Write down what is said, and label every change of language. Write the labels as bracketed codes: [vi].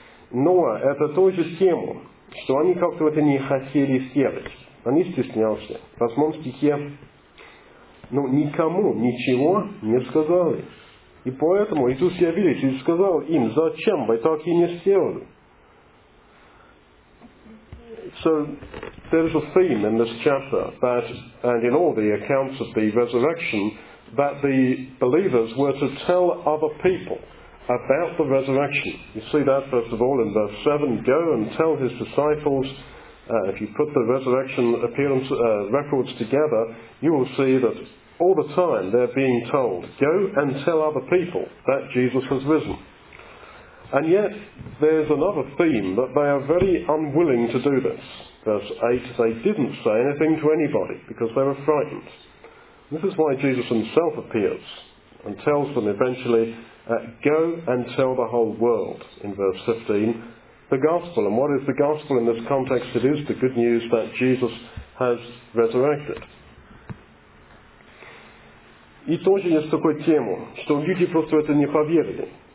[ru] Но это тоже тема, что они как-то это не хотели сделать. Они стеснялись. В 8 стихе: «Но никому ничего не сказали». И поэтому Иисус явился и сказал им: «Зачем вы так и не сделали?» [en] So, there's a theme in this chapter that, and in all the accounts of the resurrection, that the believers were to tell other people about the resurrection. You see that, first of all, in verse 7, go and tell his disciples. If you put the resurrection appearance records together, you will see that all the time they're being told, go and tell other people that Jesus has risen. And yet, there's another theme, that they are very unwilling to do this. Verse 8, they didn't say anything to anybody because they were frightened. This is why Jesus himself appears and tells them eventually, go and tell the whole world, in verse 15, the gospel. And what is the gospel in this context? It is the good news that Jesus has resurrected. [ru] И тоже есть такой тему, что люди просто это не поверили.